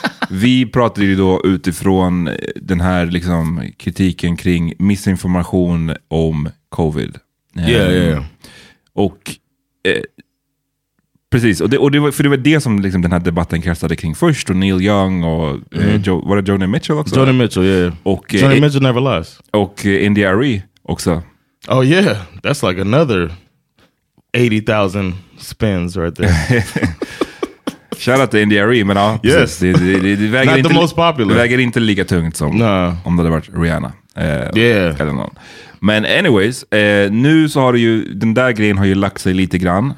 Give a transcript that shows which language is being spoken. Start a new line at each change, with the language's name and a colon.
Swedish: Vi pratade ju då utifrån den här liksom kritiken kring misinformation om covid. Och precis, och det var det som liksom den här debatten kastade kring först, och Neil Young och var det Joni Mitchell också?
English: Joni Mitchell, yeah. Joni Mitchell never lies.
Swedish: Och Indy Ari också.
English: Oh yeah, that's like another 80,000 spins right there. Shout out to
Swedish: Indy Ari, men ja.
English: Yes,
Swedish: det
English: not the most popular.
Swedish: Det väger inte lika tungt som om det hade varit Rihanna. Eller någon. Men anyways, nu så har det ju, den där grejen har ju lagt sig lite grann.